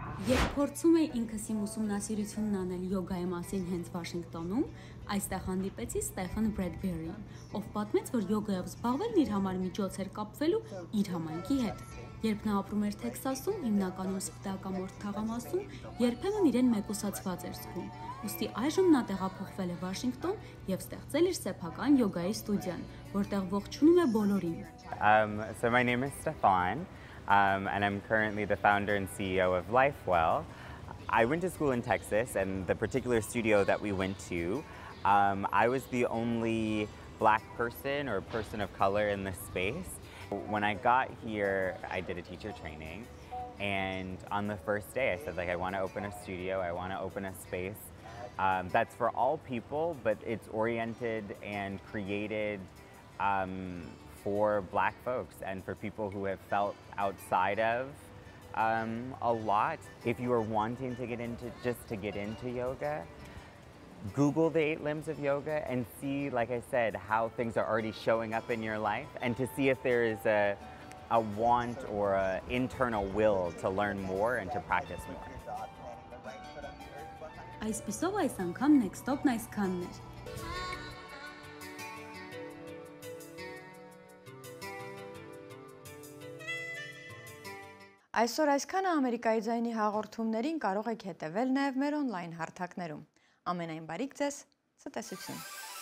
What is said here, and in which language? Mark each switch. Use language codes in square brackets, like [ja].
[hy] Երբ փորձում էի ինքս իմ ուսումնասիրությունն անել յոգայի մասին հենց Վաշինգտոնում, այստեղ հանդիպեցի Ստեֆան Բրեդբերին, ով պատմեց, որ յոգայով զբաղվելն իր համար միջոց էր կապվելու իր համայնքի հետ։ Երբ նա ապրում էր Թեքսասում, հիմնականում սպիտակամորթ թաղամասում, երբեմն իրեն մեկուսացված էր զգում, ուստի այժմ նա տեղափոխվել է Վաշինգտոն և ստեղծել իր սեփական յոգայի ստուդիան, որտեղ ողջունում է բոլորին։ [en] So my name is Stefan, and I'm currently the founder and CEO of LifeWell. I went to school in Texas, and the particular studio that we went to, I was the only black person or person of color in the space. When I got here, I did a teacher training, and on the first day, I said, like, I want to open a studio, I want to open a space that's for all people, but it's oriented and created for black folks and for people who have felt outside of a lot. If you are wanting to get into, just to get into yoga, Google the eight limbs of yoga and see, like I said, how things are already showing up in your life and to see if there is a want or a internal will to learn more and to practice more. [hy] Այսպիսով այս անգամ Next Stop-ն այսքանն էր։ Այսօր այսքանը Ամերիկայի ձայնի հաղորդումներին կարող եք հետևել նաև մեր on-line հարթակներում։ Ամենայն բարիք ձեզ, ցտեսություն։